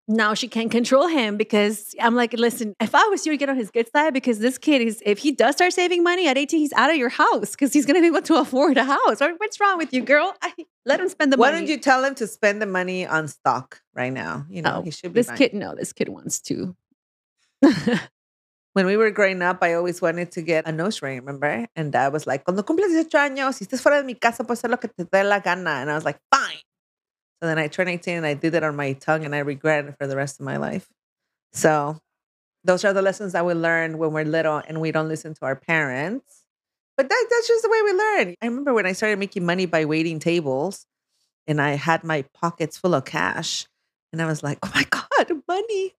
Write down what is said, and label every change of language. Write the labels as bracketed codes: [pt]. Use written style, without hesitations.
[en] now she can't control him because I'm like, listen, if I was you, I'd get on his good side because this kid is, if he does start saving money at 18, he's out of your house because he's going to be able to afford a house. What's wrong with you, girl? Let him spend the money. Why don't you tell him to spend the money on stock right now? You know, he should be this fine. Kid. No, this kid wants to. When we were growing up, I always wanted to get a nose ring, remember? And Dad was like, [es] cuando cumples 18 años, si estás fuera de mi casa, puedes hacer lo que te dé la gana. [en] And I was like, fine. So then I turned 18 and I did it on my tongue and I regret it for the rest of my life. So those are the lessons that we learn when we're little and we don't listen to our parents. But that's just the way we learn. I remember when I started making money by waiting tables and I had my pockets full of cash. And I was like, oh my God, money.